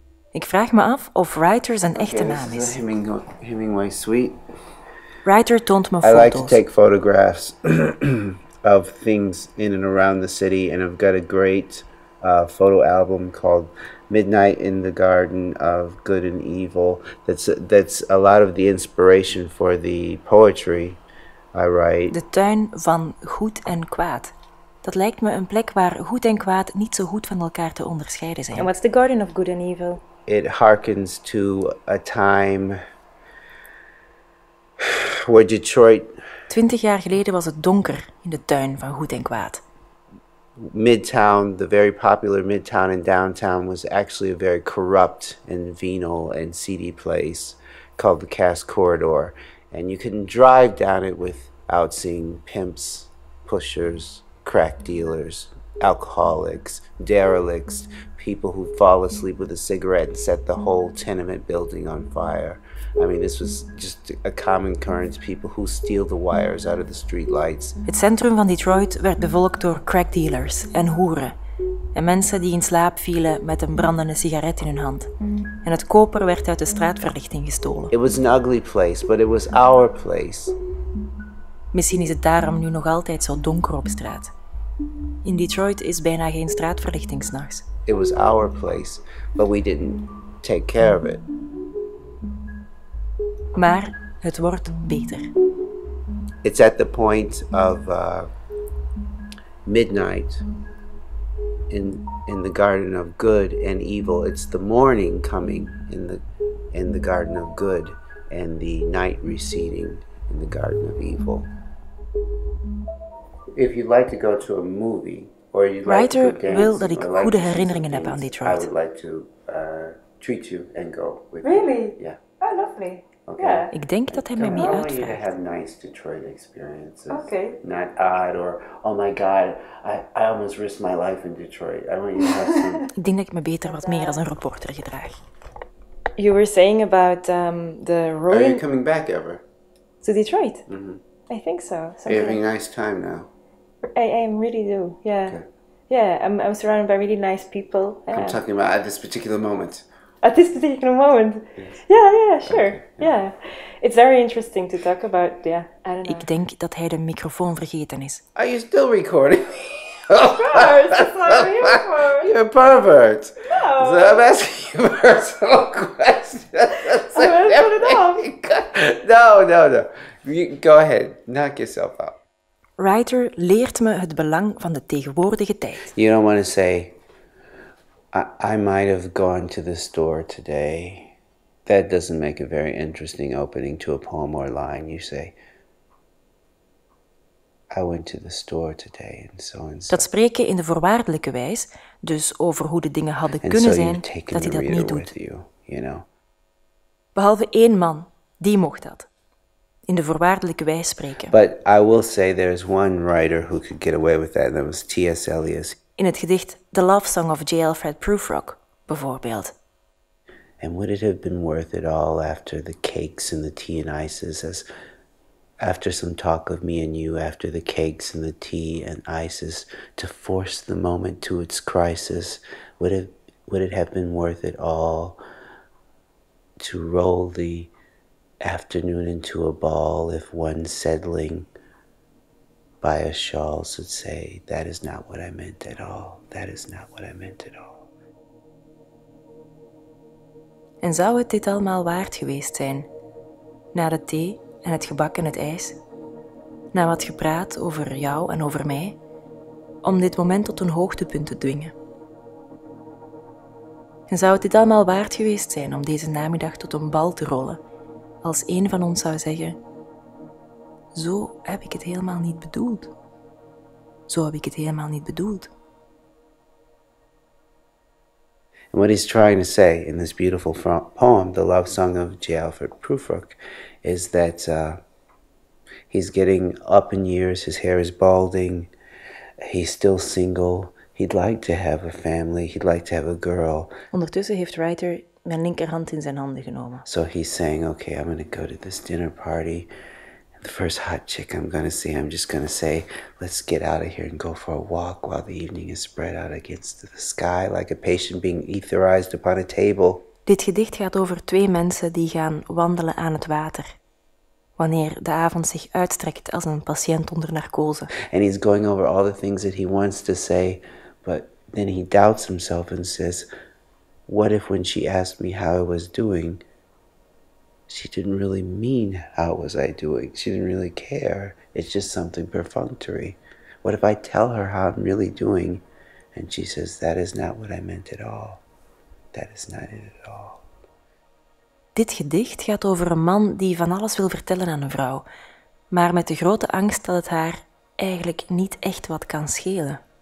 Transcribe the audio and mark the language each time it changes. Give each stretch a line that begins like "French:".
Dutch: Ik vraag me af of Ryder zijn echte naam is.
English: Hemingway suite.
Dutch: Ryder toont me foto's.
English: I like to take photographs of things in and around the city, and I've got a great photo album called Midnight in the Garden of Good and Evil. That's a lot of the inspiration for the poetry I write.
Dutch: De tuin van goed en kwaad. Dat lijkt me een plek waar goed en kwaad niet zo goed van elkaar te onderscheiden zijn.
English: And what's the garden of good and evil? It harkens to a time where Detroit.
Dutch: 20 jaar geleden was het donker in de tuin van goed en kwaad.
English: Midtown, the very popular Midtown in downtown, was actually a very corrupt and venal and seedy place called the Cass Corridor. And you couldn't drive down it without seeing pimps, pushers, crack dealers, alcoholics, derelicts, people who fall asleep with a cigarette and set the whole tenement building on fire. I mean, this was just a common occurrence, people who steal the wires out of the streetlights.
Dutch: Het centrum van Detroit werd bevolkt door crack dealers en hoeren. En mensen die in slaap vielen met een brandende sigaret in hun hand. En het koper werd uit de straatverlichting gestolen.
English: It was an ugly place, but it was our place.
Dutch: Misschien is het daarom nu nog altijd zo donker op straat. In Detroit is bijna geen straatverlichting 's nachts.
English: It was our place, but we didn't take care of it.
Dutch: Maar het wordt beter.
English: It's at the point of midnight in the garden of good and evil. It's the morning coming in the garden of good and the night receding in the garden of evil. If you'd like to go to a movie or you'd like
Dutch: Ryder
English: to go dance,
Dutch: wil dat ik goede herinneringen heb aan Detroit.
English: I would like to treat you and go with really? Me. Really? Yeah. Oh, lovely. Okay.
Dutch: Ik denk dat hij mij mee uitvraagt.
English: I want you to have nice Detroit experiences. Okay. Not odd or, oh my god, I almost risked my life in Detroit. I want you to have some...
Dutch: Ik denk dat ik me beter wat meer als een reporter gedraag.
English: You were saying about the ruin... Are you coming back ever? To Detroit? Mm-hmm. I think so. Are you having a nice time now? I really do, yeah. Okay. Yeah, I'm surrounded by really nice people. I'm talking about at this particular moment. At this particular moment. Yes. Yeah, sure. Okay, yeah. It's very interesting to talk about, yeah. I don't know.
Dutch: Ik denk dat hij de microfoon vergeten is.
English: Are you still recording? Of course, that's what I'm here for. You're a pervert. No. So I'm asking you personal questions. I'm going to put it off. No. Go ahead, knock yourself out.
Dutch: Writer leert me het belang van de tegenwoordige tijd.
English: You don't want to say, I might have gone to the store today. That doesn't make a very interesting opening to a poem or line. You say, I went to the store today and so and so.
Dutch: Dat spreken in de voorwaardelijke wijs, dus over hoe de dingen hadden kunnen zijn, dat hij dat niet doet. Behalve één man, die mocht dat. In de voorwaardelijke wijs spreken.
English: But I will say there's one writer who could get away with that, and that was T.S. Eliot.
Dutch: In het gedicht The Love Song of J. Alfred Prufrock, bijvoorbeeld.
English: And would it have been worth it all after the cakes and the tea and ices, as after some talk of me and you, after the cakes and the tea and ices, to force the moment to its crisis? Would it have been worth it all to roll the afternoon into a ball if one settling by a shawl should say, that is not what I meant at all, that is not what I meant at all.
Dutch: En zou het dit allemaal waard geweest zijn? Na de thee en het gebak en het ijs? Na wat gepraat over jou en over mij? Om dit moment tot een hoogtepunt te dwingen? En zou het dit allemaal waard geweest zijn om deze namiddag tot een bal te rollen? Als één van ons zou zeggen, zo heb ik het helemaal niet bedoeld. Zo heb ik het helemaal niet bedoeld.
English: And what he's trying to say in this beautiful poem, The Love Song of J. Alfred Prufrock, is that he's getting up in years, his hair is balding, he's still single, he'd like to have a family, he'd like to have a girl.
Dutch: Ondertussen heeft Writer mijn linkerhand in zijn handen genomen.
English: So he's saying, okay, I'm going to go to this dinner party. The first hot chick I'm going to see, I'm just going to say, let's get out of here and go for a walk while the evening is spread out against the sky like a patient being etherized upon a table.
Dutch: Dit gedicht gaat over twee mensen die gaan wandelen aan het water, wanneer de avond zich uitstrekt als een patiënt onder narcose.
English: And he's going over all the things that he wants to say, but then he doubts himself and says, what if when she asked me how I was doing, she didn't really mean, how was I doing? She didn't really care. It's just something perfunctory. What if I tell her how I'm really doing? And she says, that is not what I meant at all. That is not it at all.
Dutch: Dit gedicht gaat over een man die van alles wil vertellen aan een vrouw, maar met de grote angst dat het haar eigenlijk niet echt wat kan schelen.